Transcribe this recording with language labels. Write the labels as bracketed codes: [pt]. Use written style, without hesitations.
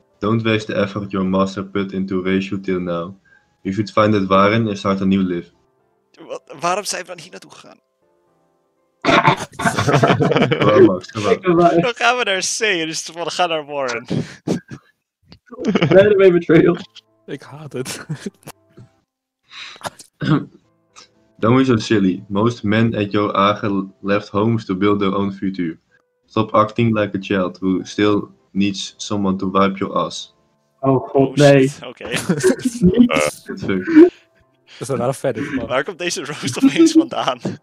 [en] Don't waste the effort your master put into raise you till now. You should find that Warren and start a new life. [nl] Wat, waarom zijn we dan hier naartoe gegaan? [en] Well, Max, come on. [nl] We gaan we naar C en dus we gaan naar Warren. [en] Better way betrayal. [nl] Ik haat het. [en] Don't be so silly. Most men at your age left homes to build their own future. Stop acting like a child who still needs someone to wipe your ass. [nl] Oh god, nee. Oké. Dat is een rare fetish, man. Waar komt deze roast opeens vandaan?